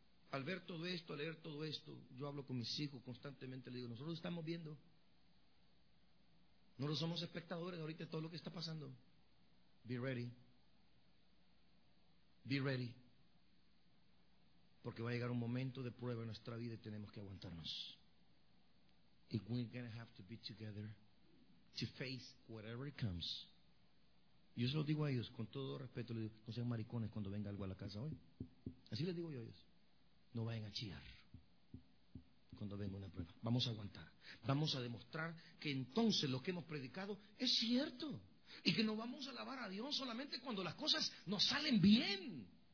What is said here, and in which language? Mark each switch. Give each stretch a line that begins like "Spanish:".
Spanish: Al ver todo esto, al leer todo esto, yo hablo con mis hijos constantemente, le digo, nosotros estamos viendo. Nosotros somos espectadores de ahorita de todo lo que está pasando.
English: Be ready. Be ready.
Spanish: Porque va a llegar un momento de prueba en nuestra vida y tenemos que aguantarnos.
English: If we're going to have to be together to face whatever comes.
Spanish: Yo se lo digo a ellos, con todo respeto, les digo, no sean maricones cuando venga algo a la casa hoy. Así les digo yo a ellos. No vayan a chillar cuando venga una prueba. vamos a aguantar. Vamos a demostrar que entonces lo que hemos predicado es cierto. Y que no vamos a alabar a Dios solamente cuando las cosas nos salen bien.